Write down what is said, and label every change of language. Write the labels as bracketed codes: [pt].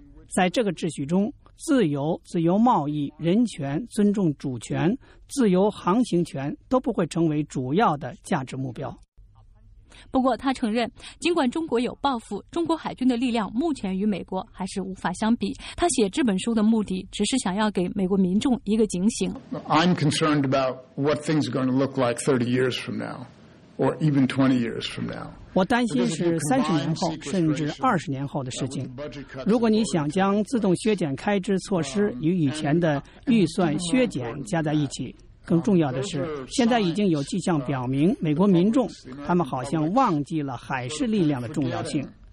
[zh] 在这个秩序中，自由、自由贸易、人权、尊重主权、自由航行权都不会成为主要的价值目标。不过他承认，尽管中国有抱负，中国海军的力量目前与美国还是无法相比。他写这本书的目的只是想要给美国民众一个警醒。 [en] I'm concerned about what things are going to look like 30 years from now or even 20 years from now。 [zh] 我担心是30年后甚至20年后的事情。如果你想将自动削减开支措施与以前的预算削减加在一起，更重要的是现在已经有迹象表明美国民众他们好像忘记了海事力量的重要性。